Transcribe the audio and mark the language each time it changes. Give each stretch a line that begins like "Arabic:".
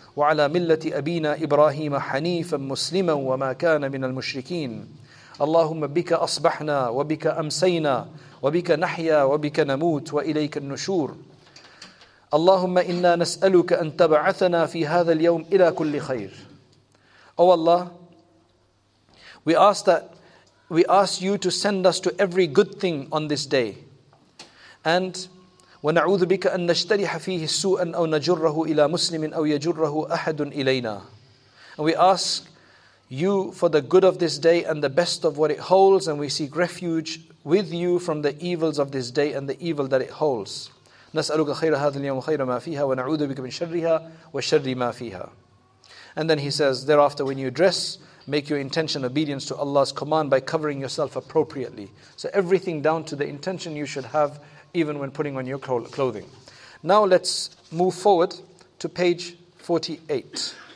Arabic: وعلى ملة أبينا إبراهيم حنيفا مسلما وما كان من المشركين. اللهم بك أصبحنا وبك أمسينا وبك نحيا وبك نموت وإليك النشور. اللهم إنا نسألك أن تبعثنا في هذا اليوم إلى كل خير.
English: Oh Allah, we ask you to send us to every good thing on this day.
Arabic: And ونعوذ بك أن نشترح فيه سوءا أو نجره إلى مسلم أو يجره أحد إلينا.
English: And we ask you for the good of this day and the best of what it holds, and we seek refuge with you from the evils of this day and the evil that it holds.
Arabic: نسألك خير هذا اليوم وخير ما فيها ونعوذ بك من شرها وشر ما فيها.
English: And then he says, thereafter when you dress, make your intention obedience to Allah's command by covering yourself appropriately. So everything down to the intention you should have even when putting on your clothing. Now let's move forward to page 48.